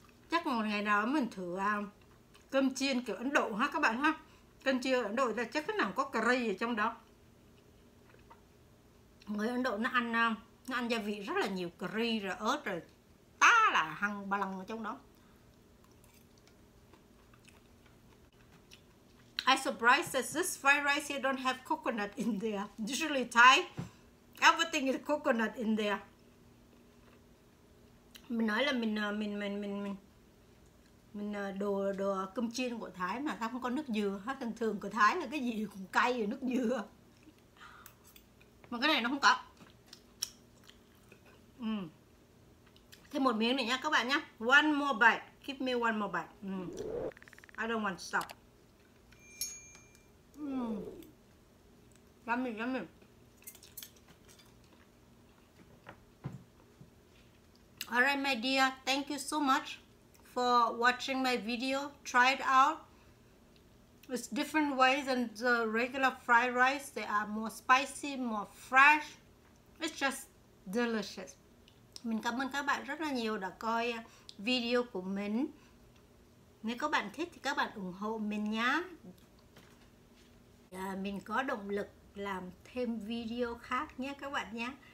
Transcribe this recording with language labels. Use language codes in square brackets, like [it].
[vi] Chắc một ngày nào mình thử cơm chiên kiểu Ấn Độ ha các bạn ha. Cơm chiên Ấn Độ là chắc cái nào có curry ở trong đó. Người Ấn Độ nó ăn gia vị rất là nhiều, curry rồi ớt rồi tá là hăng ba lần ở trong đó. [en] I surprised that this fried rice here don't have coconut in there. Usually Thai, everything is coconut in there. [vi] Mình nói là mình đồ cơm chiên của Thái mà ta không có nước dừa hết. Thường thường của Thái là cái gì cũng cay rồi nước dừa, mà cái này nó không có. Thêm một miếng này nha các bạn nhá. [en] One more bite, give me one more bite. I don't want to stop. Yummy. Alright my dear, thank you so much for watching my video. Try it out. It's different ways than the regular fried rice. They are more spicy, more fresh. It's just delicious. [vi] Mình cảm ơn các bạn rất là nhiều đã coi video của mình. Nếu các bạn thích thì các bạn ủng hộ mình nhá. Mình có động lực làm thêm video khác nhé các bạn nhé.